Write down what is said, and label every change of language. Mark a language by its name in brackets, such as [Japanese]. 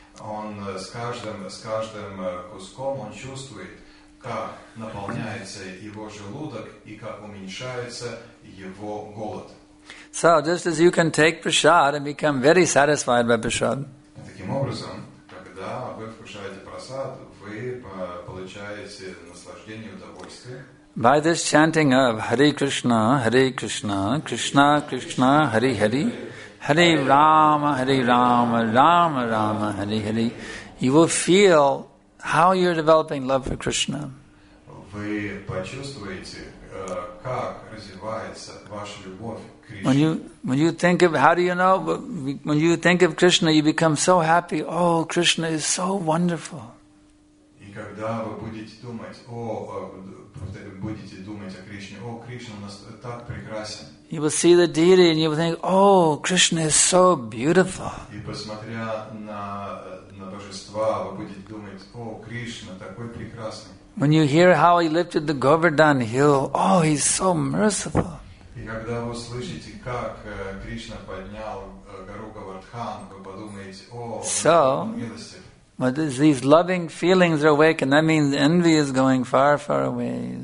[Russian] Он с каждым куском он чувствует, как наполняется его желудок и как уменьшается его голод. [English] So just as you can take prasad and become very satisfied by prasad. [Russian] Таким образом, когда вы вкушаете прасад, вы получаете наслаждение, удовольствие. [English] By this chanting of Hare Krishna, Hare Krishna, Krishna Krishna, Hare Hare, Hare Rama, Hare Rama, Rama Rama, Hare Hare, you will feel how you're developing love for Krishna. When you think of Krishna, you become so happy. Oh, Krishna is so wonderful. [Russian] И когда вы будете думать, о, будете думать о Кришне, о, Кришна у нас так прекрасен. [English] You will see the deity and you will think, oh, Krishna is so beautiful. [Russian] И посмотря на божества, вы будете думать, о, Кришна такой прекрасный. [English] When you hear how he lifted the Govardhan hill, oh, he's so merciful. [Russian] И когда вы услышите, как Кришна поднял гору Говардхан, вы подумаете, о, милостив. [English] But these loving feelings are awakened. That means envy is going far, far away.